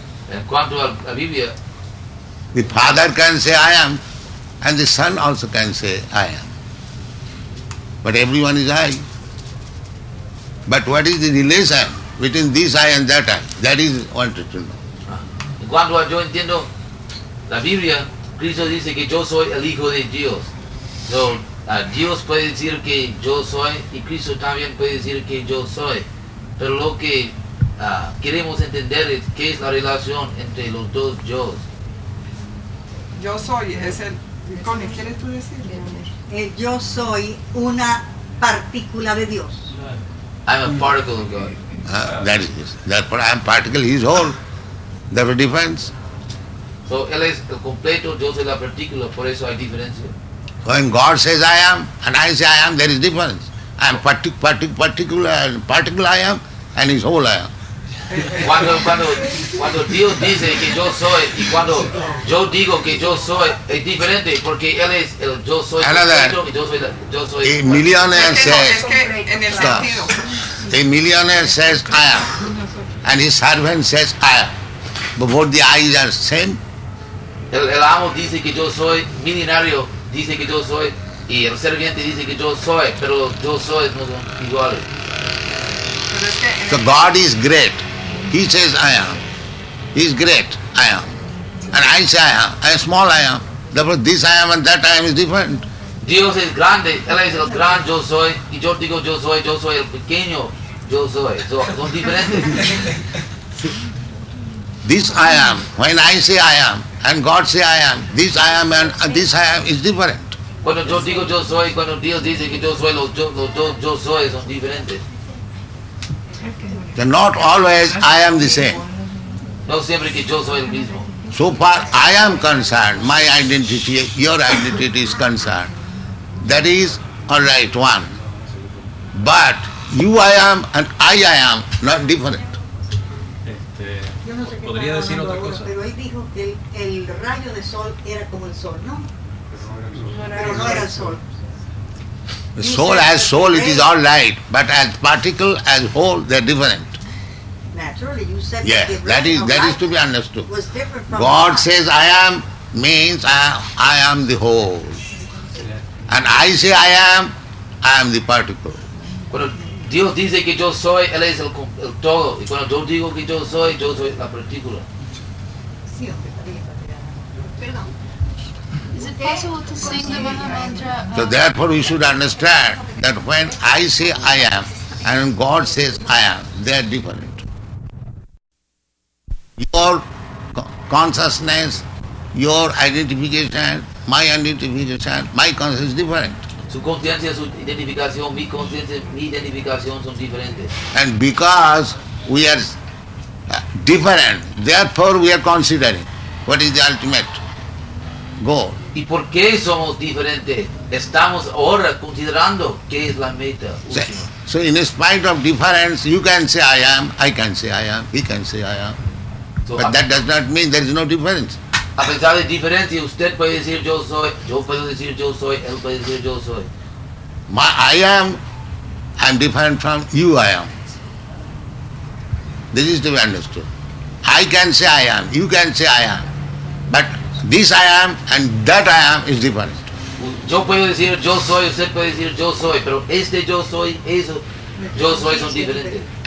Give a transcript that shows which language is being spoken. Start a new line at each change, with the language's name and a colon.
Spanish: En cuanto a la Biblia,
English: the Father can say I am, and the Son also can say I am. But everyone is I. But what is the relation between this I and that I? That is wanted to know.
Spanish: En cuanto a yo entiendo la Biblia, Cristo dice que yo soy el Hijo de Dios. So, Dios puede decir que yo soy y Cristo también puede decir que yo soy. Pero lo que queremos entender es qué es la relación entre los dos yo's. Yo soy, es el... ¿Qué quieres tú decir? Yo soy una partícula de Dios.
English: I'm a particle of God. That's what I'm particle, he's all. That's the difference.
Spanish: So, él es el completo, yo soy la partícula, por eso hay diferencia.
English: When God says I am, and I say I am, there is difference. I am particular I am, and His whole I am.
Spanish: Cuando Dios dice que yo soy, y cuando yo digo que yo soy, es diferente, porque Él es el yo soy.
English: Another,
Spanish: yo soy
English: a millionaire says, stop. A millionaire says I am, and his servant says I am. But both the eyes are same.
Spanish: El amo dice que yo soy millonario. Dice que yo soy, y el serviente dice que yo soy, pero yo soy no son iguales.
English: So God is great. He says I am. He is great, I am. And I say I am. I am small, I am. Therefore this I am and that I am is different.
Spanish: Dios es grande. Él es el gran yo soy. Y yo digo yo soy el pequeño yo soy. So, son diferentes.
English: This I am. When I say I am, and God say I am, this I am and this I am is different. Cuando yo digo yo soy, cuando Dios dice que yo soy, yo soy son diferentes. They're not always I am the same.
Spanish: No siempre que yo soy el mismo.
English: So far I am concerned, my identity, your identity is concerned. That is all right, one. But you I am and I am not different.
Spanish: Podría decir otra cosa. Pero él dijo que el rayo de sol era como el sol, ¿no? Pero no era el sol.
English: The soul as soul, it is all light, but as particle, as whole, they're different. Naturally, you said yes, that. Yes, that is to be understood. Was different from God life. Says I am means I am the whole, and I say I am the particle.
Spanish: Dios dice que yo soy, Él es el todo. Y cuando yo digo que yo soy la partícula. Sí, hombre, está bien. Perdón. ¿Es posible
English: to sing the Vana Mantra? So therefore we should understand that when I say I am and God says I am, they are different. Your consciousness, your identification, my identification, my consciousness is different.
Spanish: Su conciencia, su identificación, mi conciencia, mi identificación son diferentes.
English: And because we are different, therefore we are considering what is the ultimate goal.
Spanish: ¿Y por qué somos diferentes? Estamos ahora considerando qué es la meta.
English: So in spite of difference, you can say I am, I can say I am, he can say I am. So but that does not mean there is no difference.
Spanish: A pesar de diferencia, usted puede decir yo soy, yo puedo decir yo soy, él puede decir yo soy.
English: My, I am, I'm different from you I am. This is to be understood. I can say I am, you can say I am. But this I am and that I am is different.
Spanish: Yo puedo decir yo soy, usted puede decir yo soy, pero este yo soy, eso, yo soy son diferentes.